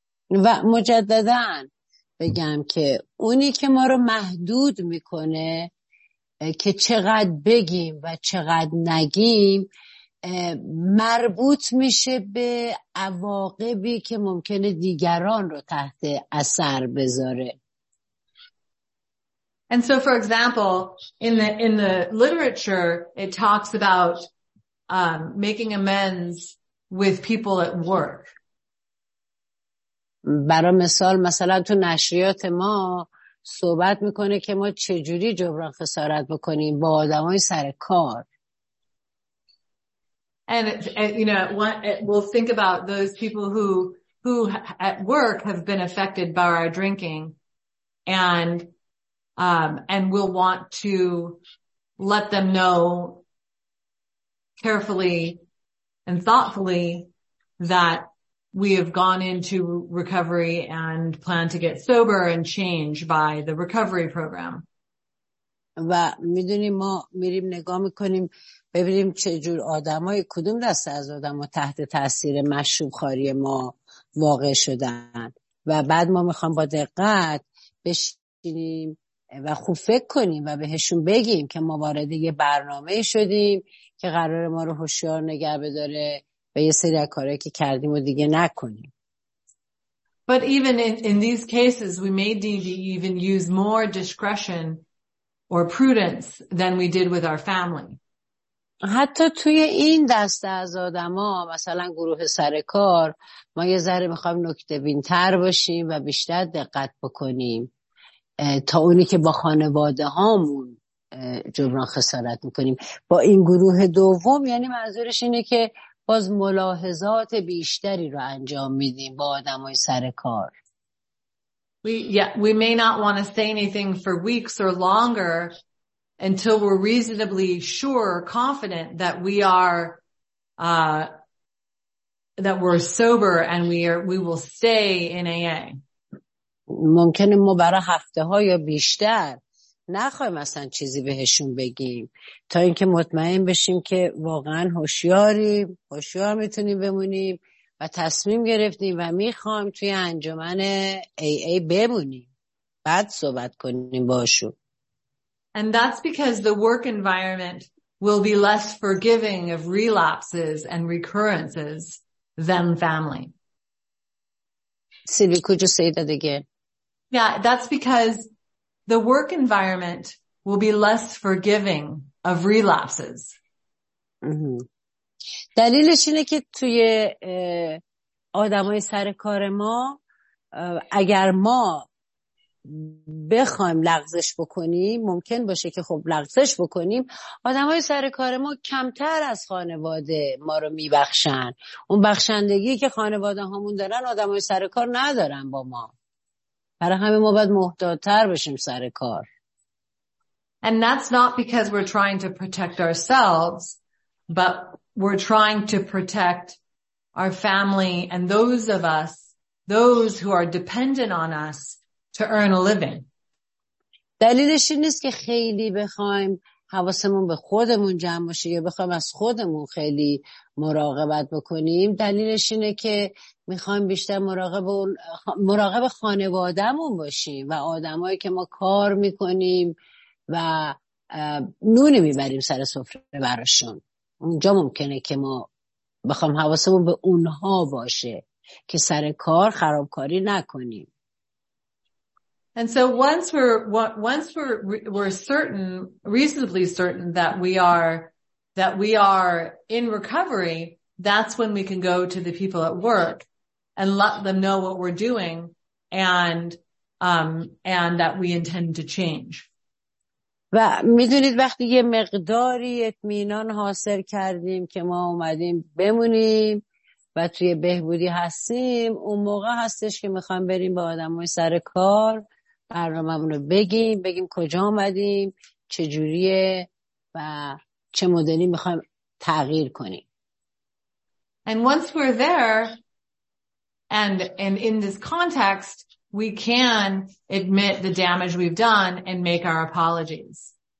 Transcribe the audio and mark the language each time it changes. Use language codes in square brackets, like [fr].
[fa] و مجدداً بگم که اونی که ما رو محدود میکنه که چقدر بگیم و چقدر نگیم مربوط میشه به عواقبی که ممکنه دیگران رو تحت اثر بذاره. [en] And so for example, in the literature it talks about making amends with people at work. [fa] برای مثال، مثلا تو نشریات ما صحبت میکنه که ما چجوری جبران خسارت بکنیم با آدم های سر کار. [en] And you know, we'll think about those people who at work have been affected by our drinking, and we'll want to let them know carefully and thoughtfully that we have gone into recovery and plan to get sober and change by the recovery program. [fa] و میدونیم ما میریم نگاه میکنیم ببینیم چه جور آدمای کدوم دسته از آدما تحت تاثیر مشروب خاری ما واقع شدن و بعد ما میخوام با دقت بشینیم و خوب فکر کنیم و بهشون بگیم که ما وارد یه برنامه شدیم که قرار ما رو هوشیار نگه بداره و یه سری از کارهایی که کردیم و دیگه نکنیم. [en] But even in these cases we may need to even use more discretion or prudence than we did with our family. [fa] حتی توی این دسته از آدما، مثلا گروه سر کار، ما یه ذره می‌خوایم نکته‌بین‌تر باشیم و بیشتر دقت بکنیم تا اونی که با خانواده‌هامون جبران خسارت می‌کنیم. با این گروه دوم یعنی منظورش اینه که باز ملاحظات بیشتری رو انجام میدیم با آدمای سر کار. [en] We may not want to say anything for weeks or longer until we're reasonably sure or confident that we are that we're sober and we will stay in AA. [fa] ممکنه ما برای هفته‌ها یا بیشتر نخواهیم اصلا چیزی بهشون بگیم تا اینکه مطمئن بشیم که واقعا هوشیاریم، هوشیار میتونیم بمونیم و تصمیم گرفتیم و میخوایم توی انجمن AA بمونیم، بعد صحبت کنیم باشون. [en] And that's because the work environment will be less forgiving of relapses and recurrences than family. Sylvie, could you say that again? Yeah, that's because the work environment will be less forgiving of relapses. [fa] دلیلش اینه که توی آدمای سر کار ما اگر ما بخوایم لغزش بکنیم، ممکن باشه که خب لغزش بکنیم، آدمای سر کار ما کمتر از خانواده ما رو میبخشن. اون بخشندگی که خانواده هامون دارن آدمای سر کار ندارن با ما. برای همه ما باید محتاط‌تر بشیم سر کار. [en] And that's not because we're trying to protect ourselves, but we're trying to protect our family and those of us, those who are dependent on us to earn a living. [fa] دلیلش این نیست که خیلی بخوایم حواسمون به خودمون جمع باشه یا بخوایم از خودمون خیلی مراقبت بکنیم. دلیلش اینه که میخوایم بیشتر مراقب خانوادهمون باشیم و آدمایی که ما کار میکنیم و نونی میبریم سر سفره براشون. اونجا ممکنه که ما بخوایم حواسمون به اونها باشه که سر کار خرابکاری نکنیم. [en] And so once we're certain, reasonably certain that we are in recovery, that's when we can go to the people at work and let them know what we're doing and that we intend to change. [fa] و میدونید وقتی یه مقداری اطمینان حاصل کردیم که ما اومدیم بمونیم و توی بهبودی هستیم، اون موقع هستش که میخوام بریم با آدمای سر کار برنامه‌مون رو بگیم کجا اومدیم، چه جوریه و چه مدلی میخوایم تغییر کنیم. [en] And once we're there and in this context, we can admit the damage we've done and make our apologies.